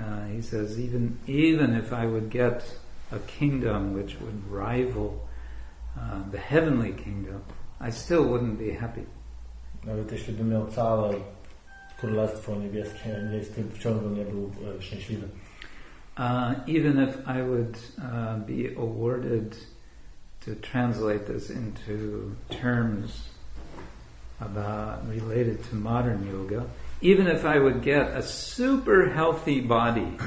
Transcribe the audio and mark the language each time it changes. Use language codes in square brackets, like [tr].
[en] He says, even if I would get a kingdom which would rival the heavenly kingdom, I still wouldn't be happy. [pl] Nawet jeśli bym miał całe królestwo niebieskie, nie jestem wciąż nie był szczęśliwy. [en] Even if I would be awarded to translate this into terms about related to modern yoga, even if I would get a super healthy body,